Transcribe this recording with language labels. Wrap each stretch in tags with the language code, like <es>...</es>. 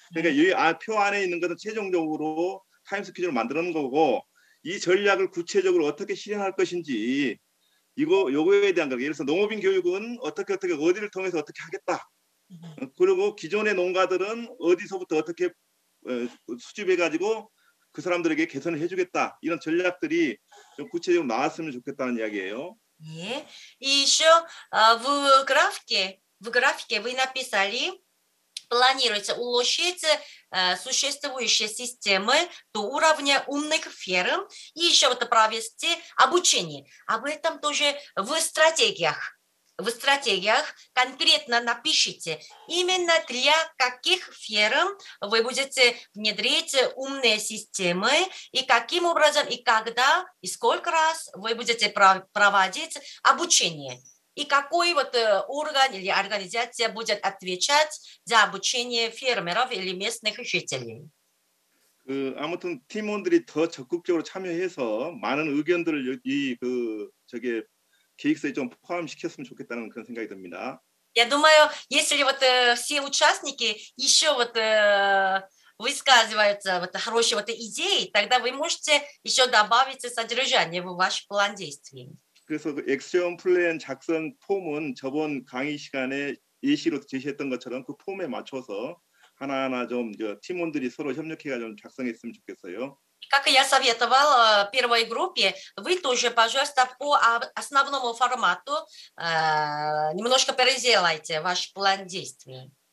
<ko>그러니까 여기 표 안에 있는 것은 최종적으로 타임 스케줄을 만드는 거고 이 전략을 구체적으로 어떻게 실행할 것인지 이거 요거에 대한 거. 예를 들어서 농업인 교육은 어떻게 어디를 통해서 어떻게 하겠다. 그리고 기존의 농가들은 어디서부터 어떻게 수집해 가지고 그 사람들에게 개선을 해 주겠다. 이런 전략들이 좀 구체적으로 나왔으면 좋겠다는 이야기예요. 네.</ko> <ru>이 ещё в графике вы написали планируется улучшить существующие системы до уровня умных ферм и ещё вот провести обучение. Об этом тоже в стратегиях конкретно напишите именно для каких ферм вы будете внедрить умные системы и каким образом и когда и сколько раз вы будете проводить обучение и какой вот орган или организация будет отвечать за обучение фермеров или местных жителей.</ru> <ko>아무튼 팀원들이 더 적극적으로 참여해서 많은 의견들을 이 그 저기 계획서에 좀 포함시켰으면 좋겠다는 그런 생각이 듭니다.</ko> <ru>Я думаю, если вот все участники ещё вот высказываются вот хорошие вот идеи, тогда вы можете ещё добавить содержание в ваш план действий.</ru> <ko>그래서 그 액션 플랜 작성 폼은 저번 강의 시간에 예시로 제시했던 것처럼 그 폼에 맞춰서 하나하나 좀 팀원들이 서로 협력해 가지고 작성했으면 좋겠어요.</ko> <ru>Как я советовала первой группе, вы тоже, пожалуйста, по основному формату немножко переделайте ваш план действий.</ru>